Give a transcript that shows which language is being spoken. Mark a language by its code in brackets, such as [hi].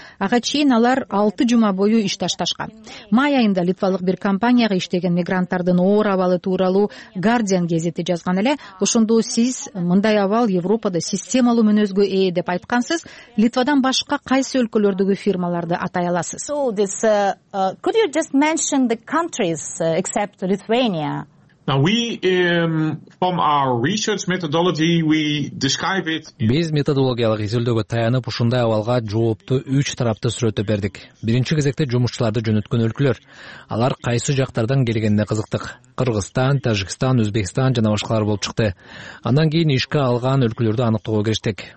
[ky] Ага чейин алар 6 жума бою иш ташташкан. Май айында литвалык бир компанияга иштеген мигранттардын оор абалы тууралуу Guardian гезити жазган эле. Ошондо сиз мындай абал Европада системалуу мүнөзгө ээ деп айткансыз. Литвадан башка кайсы өлкөлөрдөгү фирмаларды атай аласыз? [en] Could you just mention the countries except Lithuania? From our research methodology, we describe it. [ky] Биз методологиялык изилдөөгө таянып, ушундай абалга жоопту 3 тарапты сүрөттөп бердик. Биринчи кезекте жумушчуларды жөнөткөн өлкөлөр. Алар кайсы жактардан келгенине кызыктык. Кыргызстан, Тажикстан, Өзбекстан жана башкалар болуп чыкты. Андан кийин ишке алган өлкөлөрдү аныктоого кириштик.